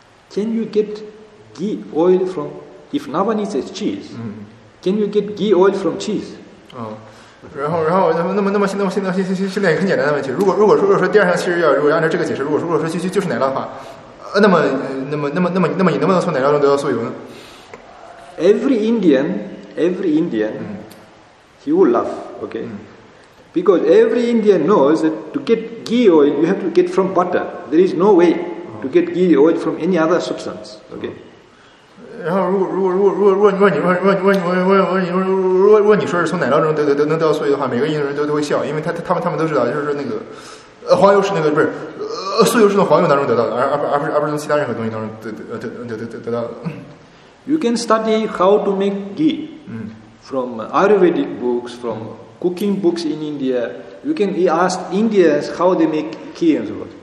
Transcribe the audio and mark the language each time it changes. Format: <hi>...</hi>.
<en>Can you get ghee oil from if Navanita is cheese? Can you get ghee oil from cheese?</en> <zh>然后那么现在很简单的问题，如果说第二项七日药，如果按照这个解释，如果说就是奶酪的话。那么你能不能从奶酪中得到酥油呢</zh> <en>？Every Indian every Indian, mm-hmm. he will laugh, okay? Mm-hmm. Because every Indian knows that to get ghee oil, you have to get from butter. There is no way to get ghee oil from any other substance, okay?</en> <zh>然后如果你说是从奶酪中能掉碎的话，每个印度人都会笑，因为他们都知道，就是那个黄油是那个不是碎油是从黄油当中得到的，而不是从其他任何东西当中得到的。</zh> <en>You can study how to make ghee. 嗯。 From Ayurvedic books, from cooking books in India, you can be asked Indians how they make ghee and so on.</en>